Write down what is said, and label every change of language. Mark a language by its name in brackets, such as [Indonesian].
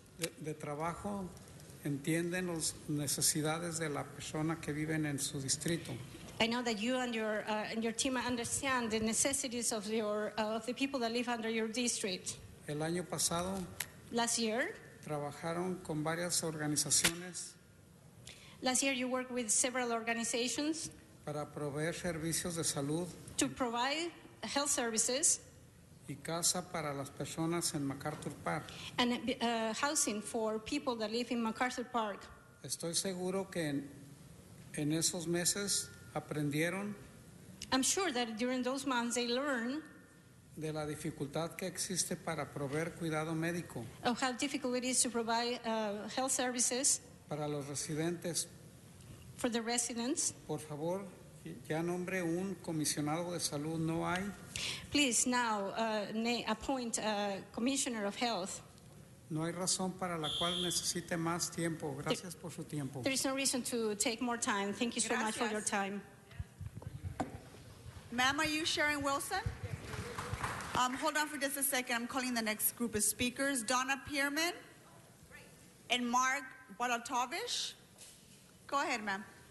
[Spanish] De trabajo entienden las necesidades de la persona que vive en su distrito. [English] I know that you and your team understand the necessities of your of the people that live under your district. [Spanish] El año pasado. [English] Last year. [Spanish] Trabajaron con varias organizaciones. [English] Last year you worked with several organizations. [Spanish] Para proveer servicios de salud. [English] To provide health services. [Spanish] Y casa para las personas en MacArthur Park. [English] And housing for people that live in MacArthur Park. [Spanish] Estoy seguro que en esos meses aprendieron. [English] I'm sure that during those months they learned. [Spanish] De la dificultad que existe para proveer cuidado médico. [English] Of how difficult it is to provide health services. [Spanish] Para los residentes. [English] For the residents. [Spanish] Por favor. Ya nombre un comisionado de salud, no hay. [English] Please now appoint a commissioner of health. [Spanish] No hay razón para la cual necesite más tiempo. Gracias por su tiempo. [English] There is no reason to take more time. Thank you so [Spanish] Gracias. [English] Much for your time. Ma'am, are you Sharon Wilson? Hold on for just a second. I'm calling the next group of speakers. Donna Pierman and Mark Walatovich. Go ahead, ma'am.